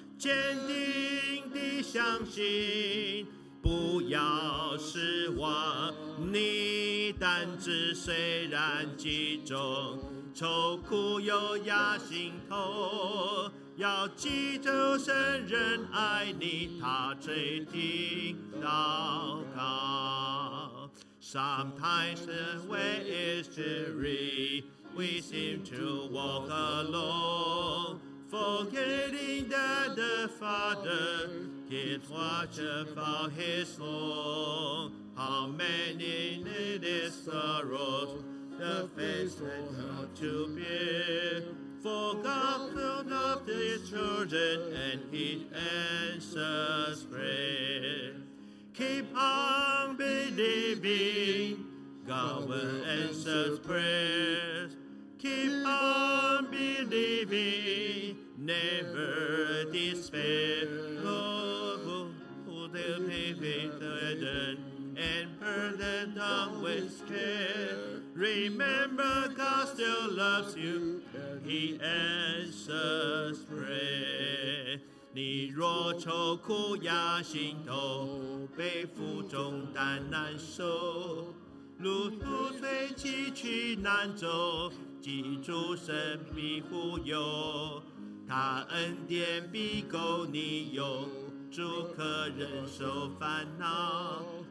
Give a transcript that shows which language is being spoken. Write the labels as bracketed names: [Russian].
[Chinese] 坚定地相信，不要失望。你担子虽然极重，愁苦又压心头。要记住神仍爱你，他垂听祷告。 [English] Sometimes the way is dreary, we seem to walk alone, forgetting that the Father keeps watch about his own. How many little sorrows the faithful have to bear, for God filled up his children and he answers prayer. Keep on believing, God will answer prayers. Keep on believing, never despair. Oh, who will be burdened and burdened down with care? Remember, God still loves you, He answers prayer. [Chinese] 你若愁苦压心头，背负重担难受，路途虽崎岖难走，记住神必护佑，他恩典必够你用，足可忍受烦恼。